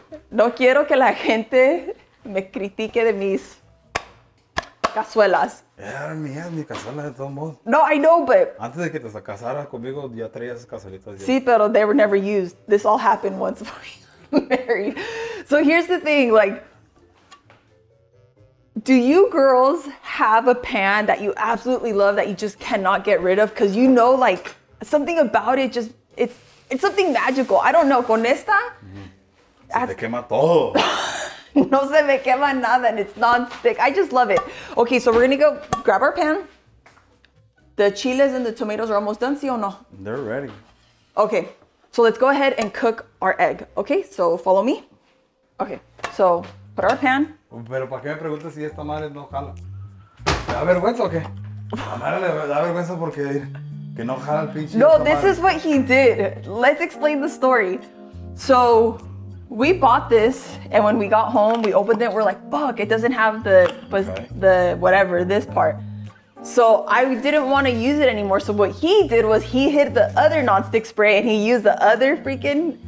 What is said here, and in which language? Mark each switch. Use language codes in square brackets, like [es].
[es] No quiero que la gente me critique de mis cazuelas. Era mi cazuela de todo modo. [en] No, I know, but. [es] Antes de que te casaras conmigo, ya traías cazuelitas. Sí, pero [en] they were never used. This all happened once before you married. So here's the thing, like, do you girls have a pan that you absolutely love that you just cannot get rid of? Because you know, like, something about it just, it's something magical. I don't know, [es] con esta. Se te quema todo. No se me quema nada, [en] and it's non-stick. I just love it. Okay, so we're gonna go grab our pan. The chiles and the tomatoes are almost done, [es] si o no? [en] They're ready. Okay, so let's go ahead and cook our egg. Okay, so follow me. Okay, so put our pan. [es] Pero para qué me preguntas si esta madre no jala? ¿Te da vergüenza o qué? La madre le da vergüenza porque Que no jala el pinche. [en] No, this is what he did. Let's explain the story. So we bought this, and when we got home, we opened it. We're like, fuck, it doesn't have the, okay. the whatever, this part. So I didn't want to use it anymore. So what he did was he hid the other nonstick spray and he used the other freaking.